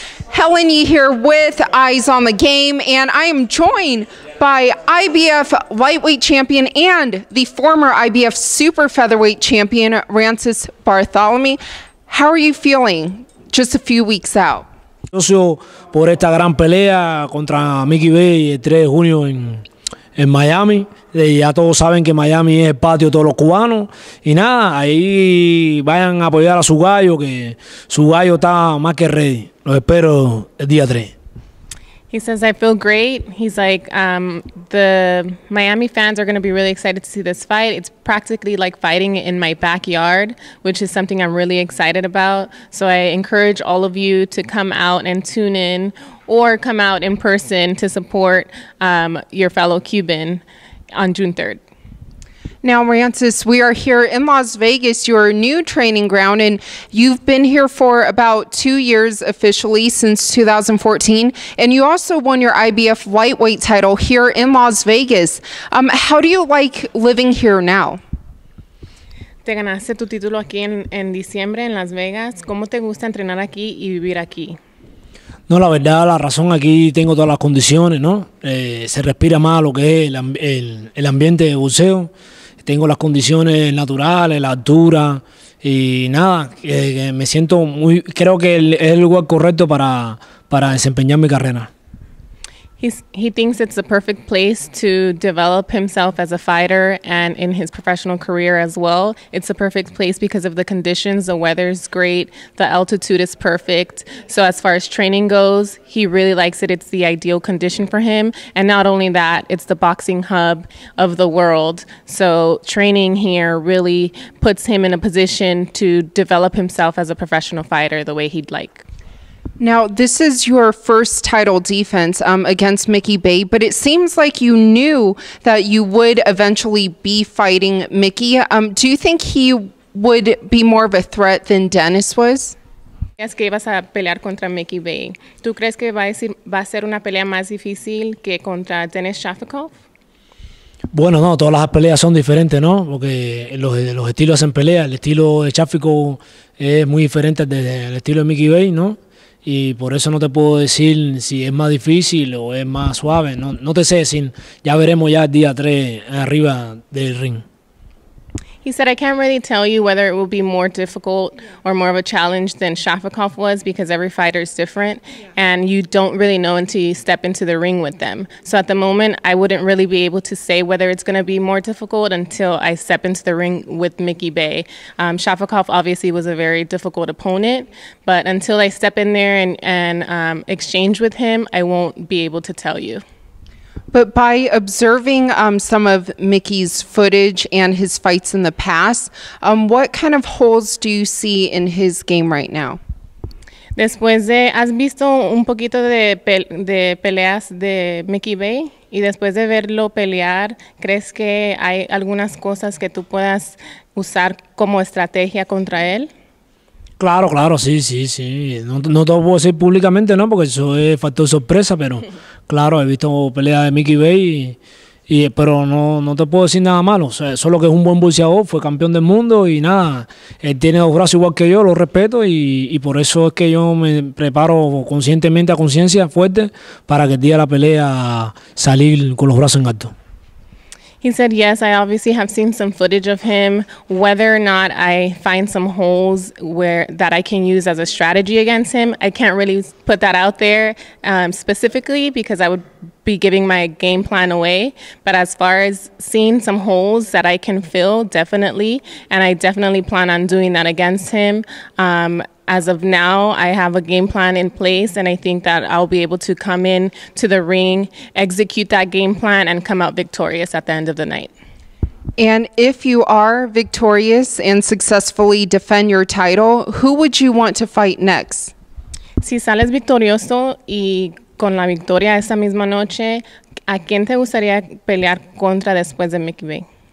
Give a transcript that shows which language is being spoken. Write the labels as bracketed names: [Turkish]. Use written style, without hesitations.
[English] Helen here with Eyes on the Game, and I am joined by IBF lightweight champion and the former IBF super featherweight champion, Rances Barthelemy. How are you feeling just a few weeks out? [Spanish] Por esta gran pelea contra Mickey Bey el 3 de junio en Miami. Ya todos saben que Miami es el patio de todos los cubanos. Y nada, ahí vayan a apoyar a su gallo, que su gallo está más que ready. Los espero el día 3. [English] He says, I feel great. He's like, the Miami fans are going to be really excited to see this fight. It's practically like fighting in my backyard, which is something I'm really excited about. So I encourage all of you to come out and tune in or come out in person to support your fellow Cuban on June 3rd. Now, Rances, we are here in Las Vegas, your new training ground, and you've been here for about 2 years officially, since 2014, and you also won your IBF lightweight title here in Las Vegas. How do you like living here now? [Spanish] Te ganaste tu título aquí en diciembre en Las Vegas. ¿Cómo te gusta entrenar aquí y vivir aquí? No, la verdad, la razón, aquí tengo todas las condiciones, ¿no? Se respira más lo que es el ambiente de boxeo. Tengo las condiciones naturales, la altura y nada, me siento muy, creo que es el lugar correcto para desempeñar mi carrera. [English] He thinks it's the perfect place to develop himself as a fighter and in his professional career as well. It's the perfect place because of the conditions, the weather's great, the altitude is perfect. So as far as training goes, he really likes it. It's the ideal condition for him. And not only that, it's the boxing hub of the world. So training here really puts him in a position to develop himself as a professional fighter the way he'd like. Now, this is your first title defense against Mickey Bey, but it seems like you knew that you would eventually be fighting Mickey. Do you think he would be more of a threat than Dennis was? [Spanish] ¿Crees que ibas a pelear contra Mickey Bey? ¿Tú crees que va a ser una pelea más difícil que contra Dennis Shafikov? Bueno, no, todas las peleas son diferentes, ¿no? Porque los estilos hacen pelea. El estilo de Shafikov es muy diferente del estilo de Mickey Bey, ¿no? Y por eso no te puedo decir si es más difícil o es más suave. No te sé decir. Ya veremos ya el día 3 arriba del ring. [English] He said, I can't really tell you whether it will be more difficult or more of a challenge than Shafikov was, because every fighter is different. And you don't really know until you step into the ring with them. So at the moment, I wouldn't really be able to say whether it's going to be more difficult until I step into the ring with Mickey Bey. Shafikov obviously was a very difficult opponent. But until I step in there and exchange with him, I won't be able to tell you. But by observing some of Mickey's footage and his fights in the past, what kind of holes do you see in his game right now? [Spanish] Después de, ¿has visto un poquito de peleas de Mickey Bey? Y después de verlo pelear, ¿crees que hay algunas cosas que tú puedas usar como estrategia contra él? Claro, claro, sí, sí, sí. No te lo puedo decir públicamente, ¿no? Porque eso es factor sorpresa, pero claro, he visto peleas de Mickey Bey, pero no te puedo decir nada malo. O sea, solo que es un buen boxeador, fue campeón del mundo y nada, él tiene dos brazos igual que yo, lo respeto y por eso es que yo me preparo conscientemente a conciencia fuerte para que el día de la pelea salir con los brazos en alto. [English] He said, yes, I obviously have seen some footage of him. Whether or not I find some holes where that I can use as a strategy against him, I can't really put that out there specifically, because I would be giving my game plan away. But as far as seeing some holes that I can fill, definitely. And I definitely plan on doing that against him. As of now, I have a game plan in place, and I think that I'll be able to come in to the ring, execute that game plan, and come out victorious at the end of the night. And if you are victorious and successfully defend your title, who would you want to fight next? [Spanish] Si sales victorioso y con la victoria esa misma noche, ¿a quién te gustaría pelear contra después de Mickey Bey?